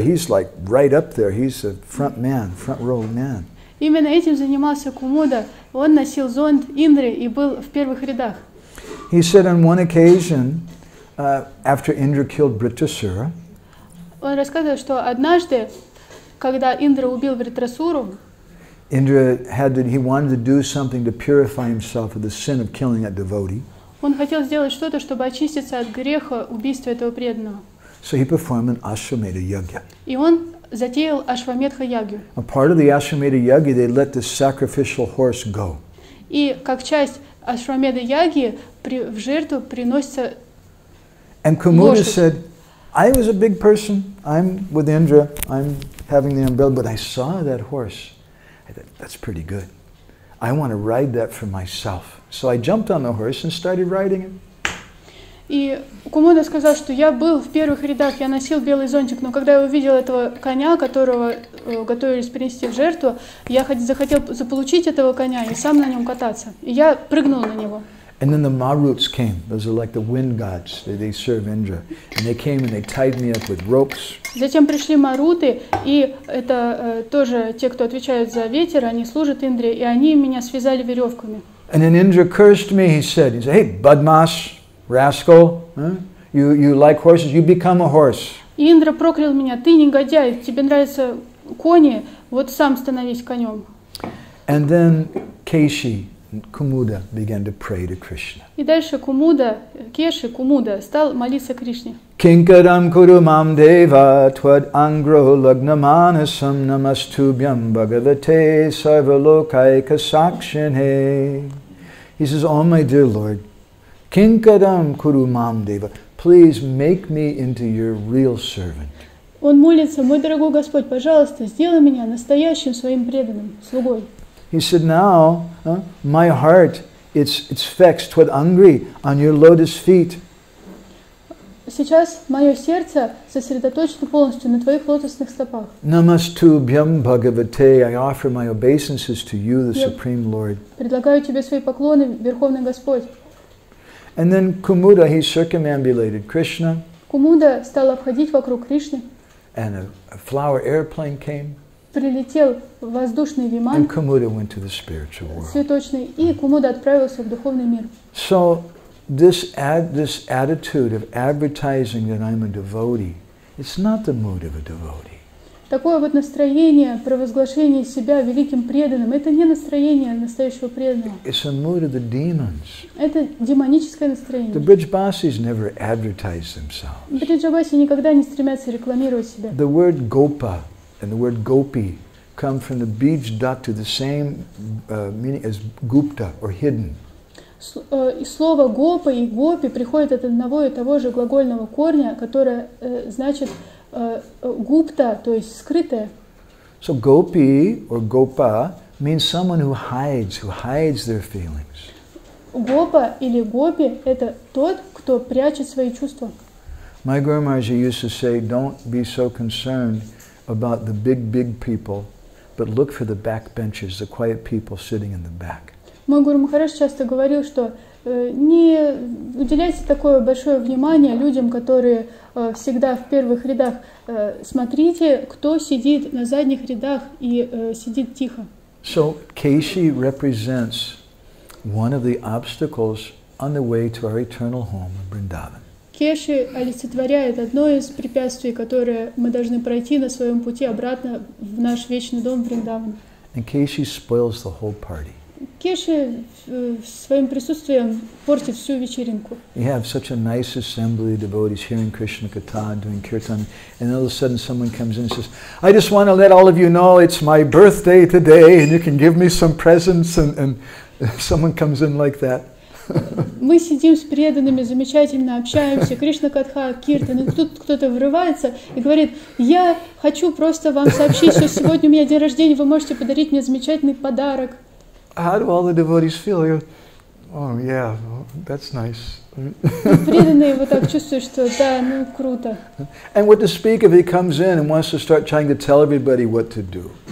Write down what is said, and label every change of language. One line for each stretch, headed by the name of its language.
English: He's like right up there. He's a front man, front row man.
Russian: Именно этим занимался Кумуда. Он носил зонт Индры и был в первых рядах.
English: He said on one occasion, after Indra killed Vritrasura.
Russian: Он рассказывал, что однажды, когда Индра убил Вритрасуру,
English: Indra had to, he wanted to do something to purify himself of the sin of killing that devotee.
Russian: Он хотел сделать что-то, чтобы очиститься от греха убийства этого преданного.
English: So he performed an ashwamedha yajna.
Russian: И он затеял ашвамедха ягью.
English: A part of the ashwamedha yajna, they let the sacrificial horse go.
Russian: И как часть ашвамедха ягьи в жертву приносится лошадь.
English: And Kumuda said, I was a big person. I'm with Indra. I'm having the umbrella, but I saw that horse. I thought, that's pretty good. I want to ride that for myself. So I jumped on the horse and started riding it.
Russian: И Кумуда сказал, что я был в первых рядах, я носил белый зонтик, но когда я увидел этого коня, которого готовились принести в жертву, я захотел заполучить этого коня и сам на нем кататься. И я прыгнул на него.
English: And then the Maruts came. Those are like the wind gods. They serve Indra. And they came and they tied me up with ropes.
Russian: Затем пришли Маруты, и это тоже те, кто отвечают за ветер, они служат Индре, и они меня связали веревками.
English: And then Indra cursed me. He said, hey, Badmas, rascal, you like horses, you become a horse.
Russian: И Индра проклял меня. Ты негодяй, тебе нравятся кони, вот сам становись конем.
English: And then Keshi. Kumuda began to pray to Krishna.
Russian: И дальше Кумуда, Кеши, Кумуда стал молиться Кришне.
Sanskrit: Кинкарам куру мам дева твад ангро лагнаманасам намастубьям бхагавате сарвалокайка сакшине.
English: He says, "Oh my dear Lord,
Sanskrit: кинкарам куру мам дева,
English: please make me into your real servant."
Russian: Он молится, мой дорогой Господь, пожалуйста, сделай меня настоящим своим преданным слугой.
English: He said, "Now, my heart, it's vexed, twad angry on your lotus feet."
Russian: Сейчас мое сердце сосредоточено полностью на твоих лотосных стопах.
Sanskrit: Namastu bhyam bhagavate,
English: I offer my obeisances to you, the Supreme Lord.
Russian: Предлагаю тебе свои поклоны, Верховный Господь.
English: And then Kumuda, he circumambulated Krishna.
Russian: Кумуда стал обходить вокруг Кришны.
English: And a flower airplane came.
Russian: Прилетел воздушный виман.
English: And Kumuda went to the spiritual world.
Russian: Цветочный, и Кумуда отправился в духовный мир.
English: So this attitude of advertising that I'm a devotee, it's not the mood of a devotee.
Russian: Такое вот настроение провозглашения себя великим преданным, это не настроение настоящего преданного.
English: It's a mood of the demons.
Russian: Это демоническое настроение.
English: The Brijbasis never advertise themselves.
Russian: Бриджабаси никогда не стремятся рекламировать себя.
English: The word gopa and the word gopi come from the bij dhatu, the same meaning as gupta or hidden.
Russian: Слово гопа и гопи приходит от одного и того же глагольного корня, которое значит гупта, то есть скрытое.
English: So gopi or gopa means someone who hides their feelings.
Russian: Гопа или гопи это тот, кто прячет свои чувства.
English: My Guru Maharaj used to say, "Don't be so concerned about the big people, but look for the back benches, the quiet people sitting in the back."
Russian: Мой Гуру Махарадж часто говорил, что не уделяйте такое большое внимание людям, которые всегда в первых рядах. Смотрите, кто сидит на задних рядах и сидит тихо.
English: So Keshi represents one of the obstacles on the way to our eternal home in Vrindavan.
Russian: Кеши олицетворяет одно из препятствий, которое мы должны пройти на своем пути обратно в наш вечный дом Вриндаван.
English: And Keshi spoils the whole party.
Russian: Кеши своим присутствием портит всю вечеринку.
English: You have such a nice assembly of devotees hearing Krishna Katha, doing kirtan, and all of a sudden someone comes in and says, "I just want to let all of you know it's my birthday today, and you can give me some presents." And someone comes in like that.
Russian: Мы сидим с преданными, замечательно общаемся, Кришна Катха, Киртан, и тут кто-то врывается и говорит, я хочу просто вам сообщить, что сегодня у меня день рождения, вы можете подарить мне замечательный подарок.
English: How do all the devotees feel? You go, oh, yeah, that's nice.
Russian: Преданные вот так чувствуют, что да, ну, круто.
English: And what to speak if he comes in and wants to start trying to tell everybody what to do.